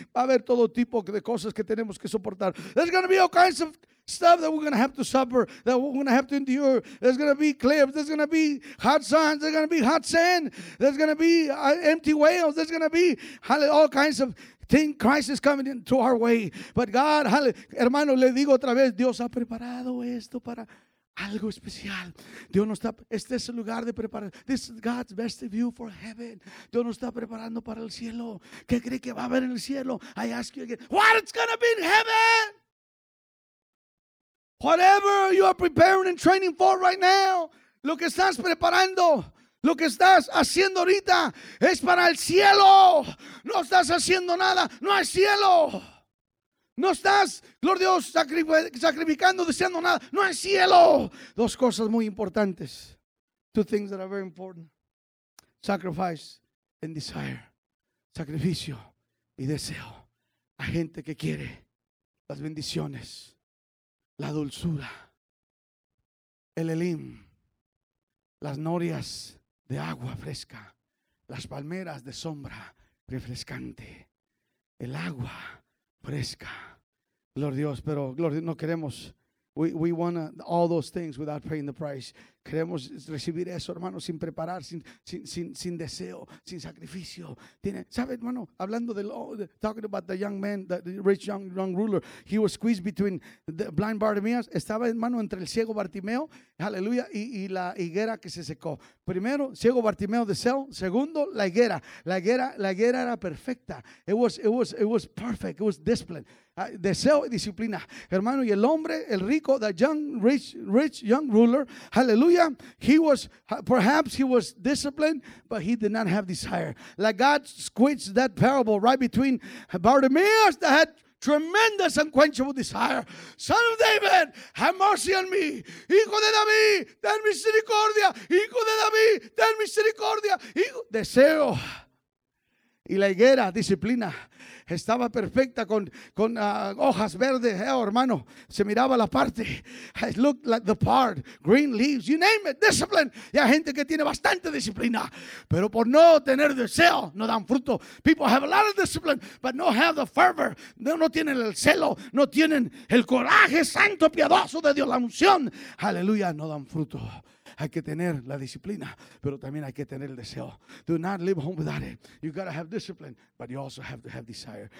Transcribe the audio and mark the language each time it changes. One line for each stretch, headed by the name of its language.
Spanish: Va a haber todo tipo de cosas que tenemos que soportar.
English: There's going to be all kinds of stuff that we're going to have to suffer, that we're going to have to endure. There's going to be cliffs. There's going to be hot suns. There's going to be hot sand. There's going to be empty whales. There's going to be all kinds of thing, crisis coming into our way. But God,
Spanish: hermano, le digo otra vez, Dios ha preparado esto para algo especial. Dios no está, este es el lugar de preparar.
English: This is God's best view for heaven.
Spanish: Dios no está preparando para el cielo. ¿Qué cree que va a haber en el cielo?
English: I ask you again, what's going to be in heaven? Whatever you are preparing and training for right now,
Spanish: lo que estás preparando, lo que estás haciendo ahorita es para el cielo. No estás haciendo nada. No hay cielo. No estás, Gloria a Dios, sacrificando, deseando nada. No hay cielo. Dos cosas muy importantes.
English: Two things that are very important. Sacrifice and desire.
Spanish: Sacrificio y deseo. A gente que quiere las bendiciones, la dulzura, el Elim, las norias de agua fresca, las palmeras de sombra refrescante, el agua fresca. Gloria a Dios, pero Gloria, no queremos.
English: We want all those things without paying the price.
Spanish: Queremos recibir eso, hermano, sin preparar, sin deseo, sin sacrificio. Tiene, ¿sabe, hermano? Hablando de
English: talking about the young man, the rich young ruler, he was squeezed between the blind Bartimaeus.
Spanish: Estaba, hermano, entre el ciego Bartimeo, aleluya, y la higuera que se secó. Primero, ciego Bartimeo deseo. Segundo, la higuera. La higuera era perfecta.
English: It was perfect. It was disciplined.
Spanish: Deseo y disciplina, hermano. Y el hombre, el rico,
English: the young, rich young ruler, hallelujah, he was, perhaps he was disciplined, but he did not have desire. Like God squeezed that parable right between Bartimaeus that had tremendous unquenchable desire. Son of David, have mercy on me.
Spanish: Hijo de David, ten misericordia. Hijo de David, ten misericordia. Hijo. Deseo. Y la higuera, disciplina. Estaba perfecta con hojas verdes, hermano. Se miraba la parte.
English: It looked like the part. Green leaves, you name it. Discipline.
Spanish: Y hay gente que tiene bastante disciplina. Pero por no tener deseo, no dan fruto.
English: People have a lot of discipline, but no have the fervor.
Spanish: No tienen el celo. No tienen el coraje santo, piadoso de Dios. La unción. Aleluya, no dan fruto. Hay que tener la disciplina, pero también hay que tener el deseo.
English: Do not live home without it. You got to have discipline, but you also have to have desire.